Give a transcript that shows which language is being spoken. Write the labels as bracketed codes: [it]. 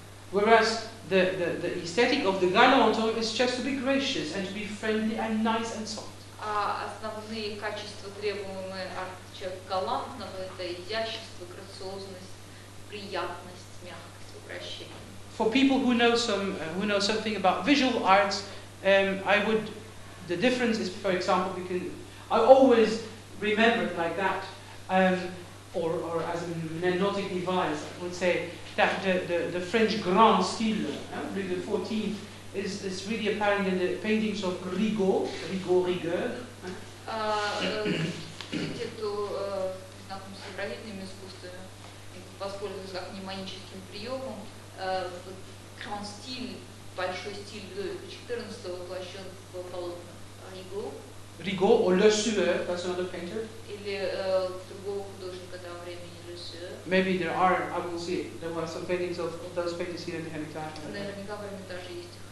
[en] Whereas the aesthetic of the galantome is just to be gracious and to be friendly and nice and soft. [ru] А основные качества, требуемые от человека галантного, это изящество, грациозность, приятность, мягкость, обращение. [en] For people who know some who know something about visual arts, I would the difference is, for example, because I always remember it like that, or as an anodic device, I would say. That the French grand style, Louis XIV, is really apparent in the paintings of Rigaud, Rigueur. [ru] Те, кто знаком с европейскими искусствами, воспользуются как мнемоническим приемом, grand style, большой стиль Louis XIV воплощен в полотнах Rigaud. [en] Rigaud or Le Sueur, that's another painter. [ru] Или другого художника того времени. [en] Maybe there are, I will see, there were some paintings of those paintings here in the Hermitage.